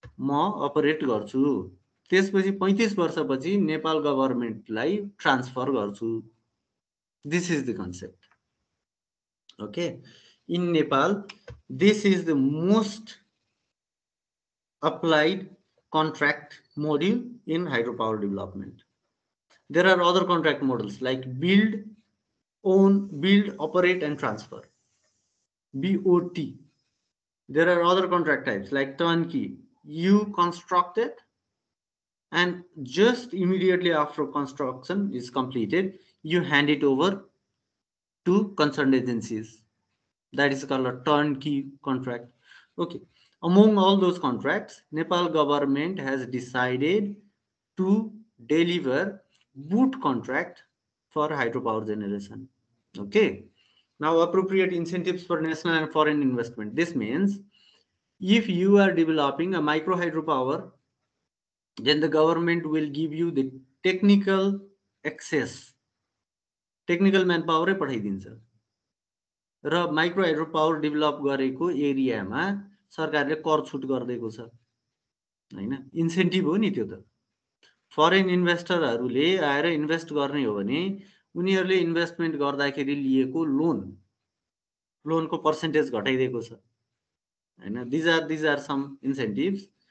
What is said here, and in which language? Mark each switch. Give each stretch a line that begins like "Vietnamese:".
Nepali: म अपरेट गर्छु त्यसपछि 35 वर्षपछि नेपाल गभर्नमेन्टलाई ट्रान्सफर गर्छु
English: This is the concept okay In Nepal, this is the most applied contract module in hydropower development. There are other contract models like build, own, build, operate, and transfer. BOT. There are other contract types like turnkey. You construct it, and just immediately after construction is completed, you hand it over to concerned agencies. That is called a turnkey contract. Okay. Among all those contracts, Nepal government has decided to deliver boot contract for hydropower generation. Okay. Now, appropriate incentives for national and foreign investment. This means if you are developing a micro hydropower, then the government will give you the technical access, technical manpower.
Nepali: र micro hydro power develop गरेको एरियामा सरकारले कर छुट गरिदिएको छ हैन incentive हो नि त्यो त फरेन इन्भेस्टरहरूले आएर इन्भेस्ट गर्ने हो भने उनीहरूले इन्भेस्टमेन्ट गर्दाखेरि लिएको लोन लोनको पर्सेन्टेज घटाइदिएको छ हैन
English: these are some incentives